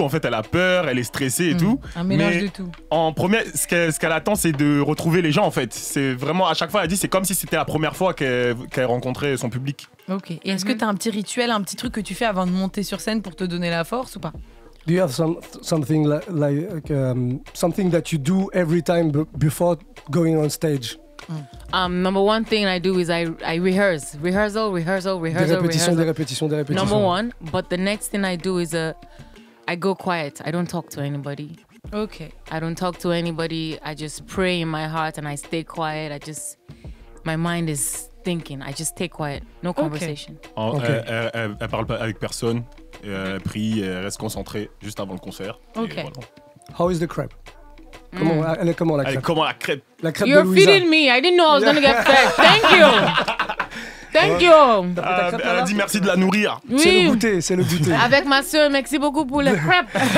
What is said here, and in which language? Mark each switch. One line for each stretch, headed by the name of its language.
French: En fait, elle a peur, elle est stressée et tout. Un mélange mais de tout. En premier, ce qu'elle attend, c'est de retrouver les gens, en fait. C'est vraiment, à chaque fois, elle dit, c'est comme si c'était la première fois qu'elle rencontrait son public. Ok. Et est-ce que tu as un petit rituel, un petit truc que tu fais avant de monter sur scène pour te donner la force ou pas?
English: Do you have something like something that you do every time before going on stage? Number one thing I do is I rehearse. Rehearsal, rehearsal, rehearsal,
French: des répétitions,
English: rehearsal.
French: Des répétitions, des répétitions.
English: Number one. But the next thing I do is I go quiet. I don't talk to anybody. Okay. I don't talk to anybody. I just pray in my heart and I stay quiet. I just, my mind is thinking. I just stay quiet. No conversation.
French: Okay. Okay. Elle parle pas avec personne. Elle prie, elle reste concentrée juste avant le concert.
English: Okay.
French: Voilà.
English: How is the crepe?
French: Comment, elle est comment la crêpe? Comment la crêpe? La crêpe
English: You're
French: de
English: feeding me. I didn't know I was gonna get fed. Thank you. Thank you.
French: Elle a dit merci de la nourrir. Oui. C'est le goûter. Avec ma soeur, merci beaucoup pour le crêpe.